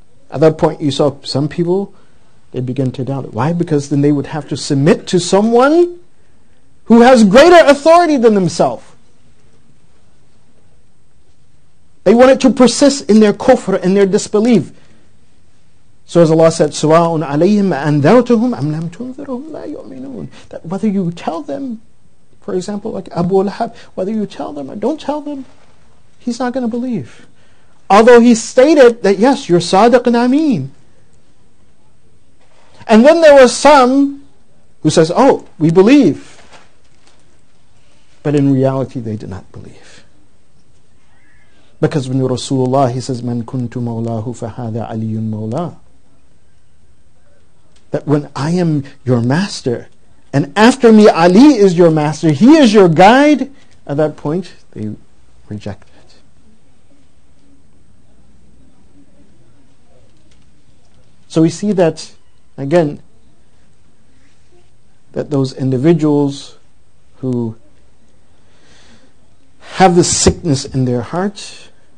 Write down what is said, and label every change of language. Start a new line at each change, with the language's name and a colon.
English: At that point, you saw some people, they begin to doubt it. Why? Because then they would have to submit to someone who has greater authority than themselves. They wanted to persist in their kufr and their disbelief. So as Allah said,
Arabic: سُوَاءٌ عَلَيْهِمْ أَنذَرْتُهُمْ أَمْ لَمْ تُنذِرْهُمْ لَا يُؤْمِنُونَ.
English: That whether you tell them, for example, like Abu Lahab, whether you tell them or don't tell them, he's not going to believe. Although he stated that, yes, you're Sadiq and Amin. And then there was some who says, oh, we believe. But in reality, they did not believe. Because when Rasulullah, he says,
Arabic: مَنْ كُنْتُ مَوْلَاهُ فَهَذَا عَلِيٌّ مَوْلَاهُ.
English: That when I am your master, and after me Ali is your master, he is your guide, at that point they reject it. So we see that, again, that those individuals who have this sickness in their heart,